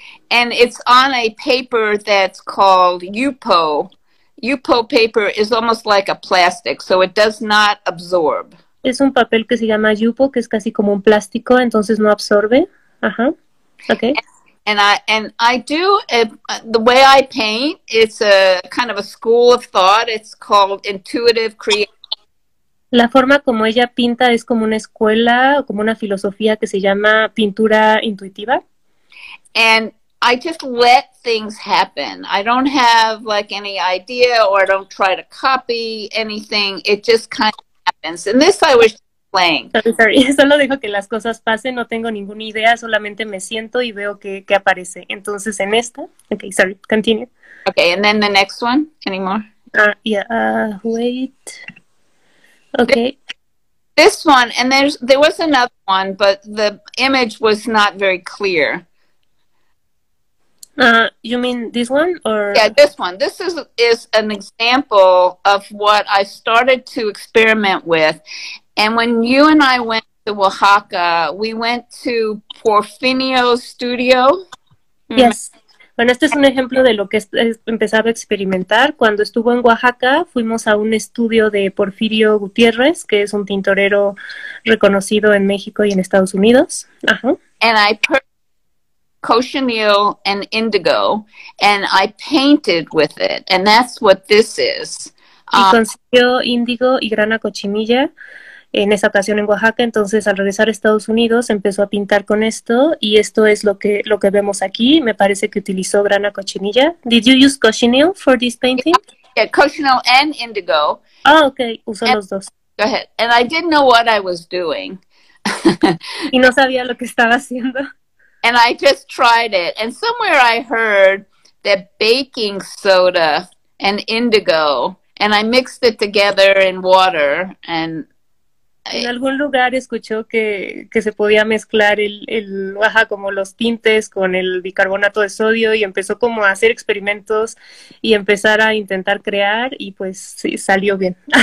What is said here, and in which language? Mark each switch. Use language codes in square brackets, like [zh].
[en] And it's on a paper that's called UPO. UPO paper is almost like a plastic, so it does not absorb. [es] Es un papel que se llama UPO, que es casi como un plástico, entonces no absorbe. Ajá. Okay. [en] And I do the way I paint, it's a kind of a school of thought. It's called intuitive creation. [es] La forma como ella pinta es como una escuela, como una filosofía que se llama pintura intuitiva. [en] And I just let things happen. I don't have like any idea or I don't try to copy anything. It just kind of happens. And this I was playing. Sorry. [es] Solo dejo que las cosas pasen. No tengo ninguna idea. Solamente me siento y veo que aparece. Entonces en esta. [en] Okay, sorry. Continue. Okay, and then the next one. Any more? Wait. Okay. This one, and there was another one, but the image was not very clear. You mean this one or? Yeah, this one. This is an example of what I started to experiment with. And when you and I went to Oaxaca, we went to Porfinio's studio. Yes. [es] Bueno, este es un ejemplo de lo que empezaba a experimentar. Cuando estuvo en Oaxaca, fuimos a un estudio de Porfirio Gutiérrez, que es un tintorero reconocido en México y en Estados Unidos. Uh-huh. [en] And I cochineal and indigo, and I painted with it, and that's what this is. [es] Y consiguió índigo y grana cochinilla en esa ocasión en Oaxaca. Entonces, al regresar a Estados Unidos, empezó a pintar con esto, y esto es lo que vemos aquí. Me parece que utilizó grana cochinilla. [en] Did you use cochineal for this painting? Yeah, cochineal and indigo. [es] Oh, okay. Usó los dos. [en] Go ahead. And I didn't know what I was doing. [es] Y no sabía lo que estaba haciendo. [en] And I just tried it. And somewhere I heard that baking soda and indigo, and I mixed it together in water. And [es] en algún lugar escuchó que se podía mezclar como los tintes con el bicarbonato de sodio, y empezó como a hacer experimentos y empezar a intentar crear, y pues sí, salió bien.